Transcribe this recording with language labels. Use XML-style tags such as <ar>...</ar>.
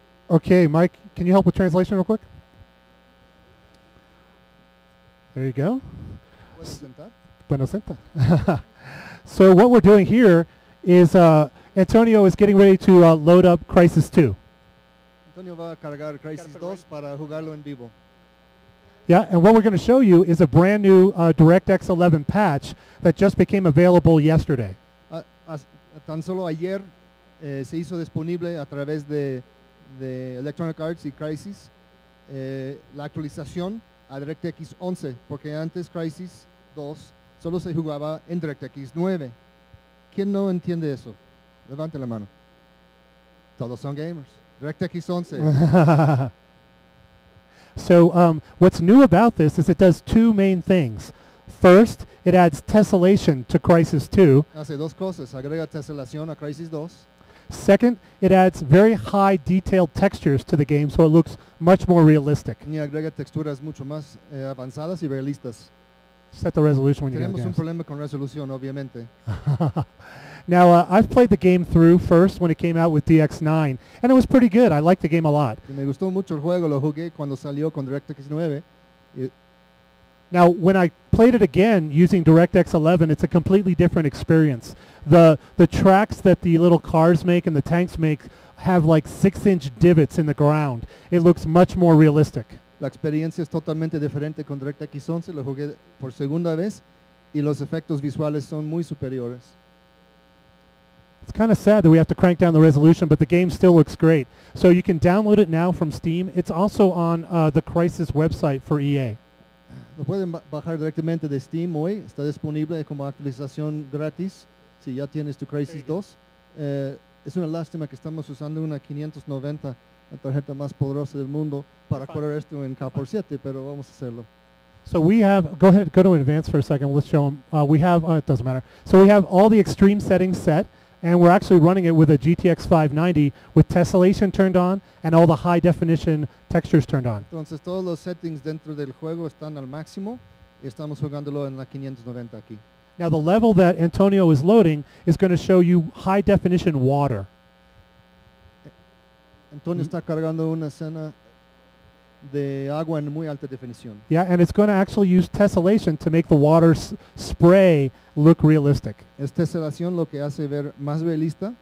<en>Okay, Mike, can you help with translation real quick? There you go.</en> <es>Bueno, senta.</es> <en>So what we're doing here is Antonio is getting ready to load up Crysis 2.</en> <es>Antonio va a cargar Crysis 2 para jugarlo en vivo.</es> <en>Yeah, and what we're going to show you is a brand new DirectX 11 patch that just became available yesterday.</en> <es>Tan solo ayer se hizo disponible a través de Electronic Arts y Crysis, la actualización a DirectX 11, porque antes Crysis 2 solo se jugaba en DirectX 9. ¿Quién no entiende eso? Levante la mano. Todos son gamers. DirectX 11.</es> <en>So, what's new about this is it does two main things. First, it adds tessellation to Crysis 2.</en> <es>Hace dos cosas. Agrega tessellación a Crysis 2.</es> <en>Second, it adds very high detailed textures to the game, so it looks much more realistic.</en> <es>Y agrega texturas mucho más avanzadas y realistas.</es> <en>Set the resolution when you</en> <es>tenemos un problema con resolución, obviamente.</es> <en>Now, I've played the game through first when it came out with DX9, and it was pretty good. I liked the game a lot.</en> <es>Y me gustó mucho el juego, lo jugué cuando salió con DirectX 9.</es> <en>Now, when I played it again using DirectX 11, it's a completely different experience. The tracks that the little cars make and the tanks make have like 6-inch divots in the ground. It looks much more realistic.</en> <es>La experiencia es totalmente diferente con DirectX 11. Lo jugué por segunda vez y los efectos visuales son muy superiores.</es> <en>It's kind of sad that we have to crank down the resolution, but the game still looks great. So you can download it now from Steam. It's also on the Crysis website for EA.</en> <es>Lo pueden bajar directamente de Steam hoy. Está disponible como actualización gratis. Si ya tienes tu Crysis 2, es una lástima que estamos usando una 590, la tarjeta más poderosa del mundo, para correr esto en K47, pero vamos a hacerlo.</es> <en>So we have, go ahead, go to advance for a second, let's show them. We have, it doesn't matter. So we have all the extreme settings set, and we're actually running it with a GTX 590 with tessellation turned on and all the high definition textures turned on.</en> <es>Entonces todos los settings dentro del juego están al máximo, y estamos jugándolo en la 590 aquí.</es> <en>Now the level that Antonio is loading is going to show you high definition water.</en> <es>Antonio está cargando una escena de agua en muy alta definición.</es> <en>Yeah, and it's going to actually use tessellation to make the water spray look realistic.</en> <es>Es tessellación lo que hace ver más realista.</es>